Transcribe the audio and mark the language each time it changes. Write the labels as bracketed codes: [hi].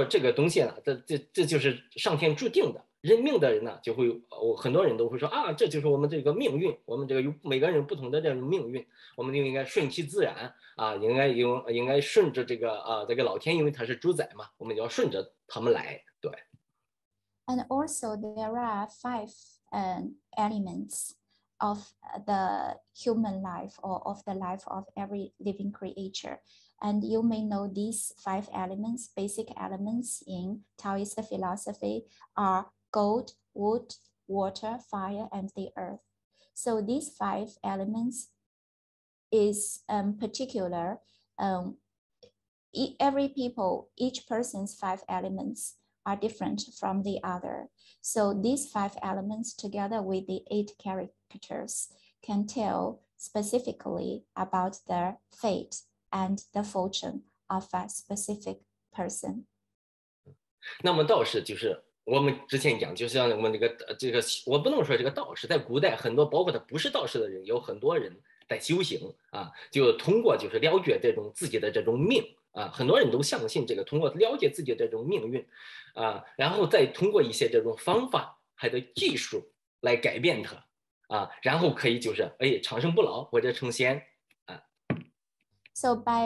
[zh] 就是我们讲，因为这个每个人他的五行的不同啊，就是这个人的这个运呐，他都也不同了，和就是说，因为这个人的这个五行就是在这个排列的过程中，他的五行不同啊，然后不行，他的命不一样，就是这样合起来就每个人的命，这就一个人的命运，但是他的命运呢，同时也是不同的啊，这我们说这个东西啊，这就是上天注定的。任命的人呢，就会，很多人都会说啊，这就是我们这个命运，我们这个每个人不同的这个命运，我们就应该顺其自然啊，应该顺着这个老天，因为他是主宰嘛，我们就要顺着他们来，对。 [en] And also there are five elements of the human life or of the life of every living creature. And you may know these five elements, basic elements in Taoist philosophy are gold, wood, water, fire, and the earth. So these five elements is particular. Each person's five elements are different from the other. So these five elements together with the eight characters can tell specifically about their fate and the fortune of a specific person. [zh] 那么道士就是 我们之前讲，就像我们这个，我不能说这个道士，在古代很多包括他不是道士的人，有很多人在修行啊，就通过就是了解这种自己的这种命啊，很多人都相信这个，通过了解自己的这种命运啊，然后再通过一些这种方法，还得技术来改变它啊，然后可以就是哎长生不老或者成仙啊。 [en] So